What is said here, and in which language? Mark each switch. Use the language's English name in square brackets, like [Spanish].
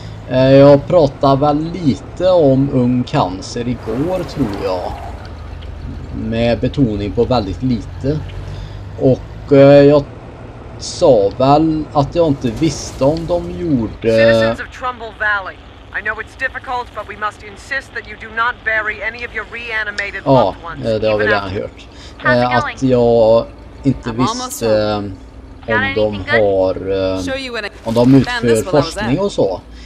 [Swedish] Jag pratade väl lite om Ung Cancer igår tror jag. Med betoning på väldigt lite. Och jag sa väl att jag inte visste om de gjorde... [English] I know it's difficult, but we must insist that you do not bury any of your reanimated loved ones. [Swedish] Ja, det har vi redan hört. Att jag inte visste om de har... Om de utför forskning och så.